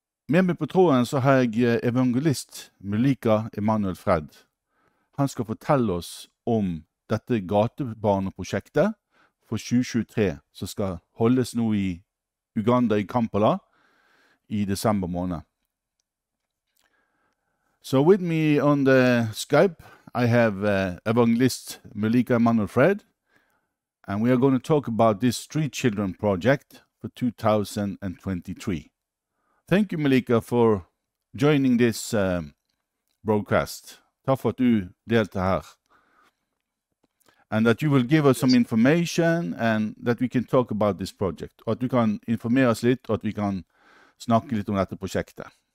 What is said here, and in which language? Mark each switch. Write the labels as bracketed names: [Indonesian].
[Norwegian] Med meg på tråden så har jeg evangelist Muliika Emmanuel Fred. Han skal fortelle oss om dette gatebarneprosjektet for 2023 som skal holdes nå i Uganda I Kampala I desember måned. [English] So with me on the Skype, I have evangelist Muliika Emmanuel Fred, and we are going to talk about this street children project for 2023. Thank you, Muliika, for joining this broadcast. [Norwegian] Takk for at du delte her. [English] And that you will give us some information and that we can talk about this project. [Norwegian] Og at du kan informere oss litt, og at vi kan snakke litt om dette prosjektet.